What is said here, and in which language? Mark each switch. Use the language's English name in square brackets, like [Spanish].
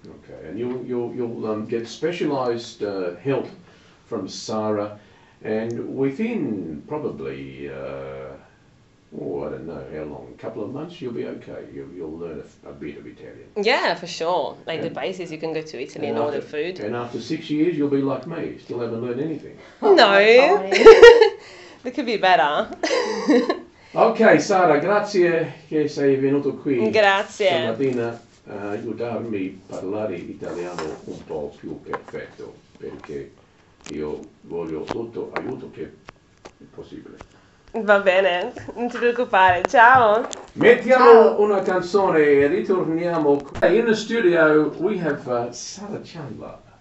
[English] Okay, and you'll get specialised help from Sarah, and within probably I don't know how long, a couple of months, you'll be okay. You'll learn a bit of Italian. Yeah, for sure. Like the basis, you can go to Italy and order food. And after 6 years, you'll be like me, still haven't learned anything. No. It could be better. [Italian] Okay, Sara, grazie che sei venuto qui. Grazie. Stamattina aiutarmi a parlare italiano un po' più perfetto, perché io voglio tutto aiuto che è possibile. Va bene, non ti preoccupare, ciao! Mettiamo ciao. Una canzone e ritorniamo qui. [English] In the studio we have Sara Chandler.